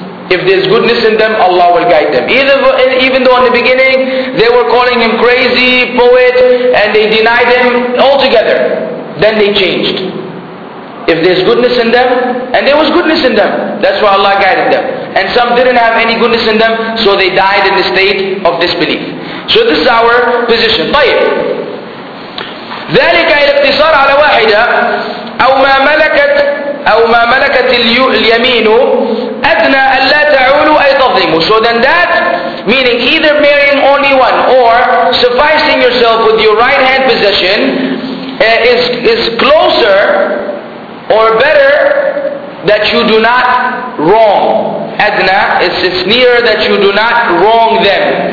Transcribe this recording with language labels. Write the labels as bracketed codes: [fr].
[en] If there's goodness in them, Allah will guide them. Even though in the beginning they were calling him crazy, poet, and they denied him altogether, then they changed. If there's goodness in them, and there was goodness in them, that's why Allah guided them. And some didn't have any goodness in them, so they died in the state of disbelief. So this is our position. طيب. [ar] ذلك الاقتصار على واحدة أو ما ملكت اليمين أدنى ألا تعولوا أي تظلموا. [en] So then that, meaning either marrying only one or sufficing yourself with your right hand possession is closer or better that you do not wrong. أدنى, it's nearer that you do not wrong them.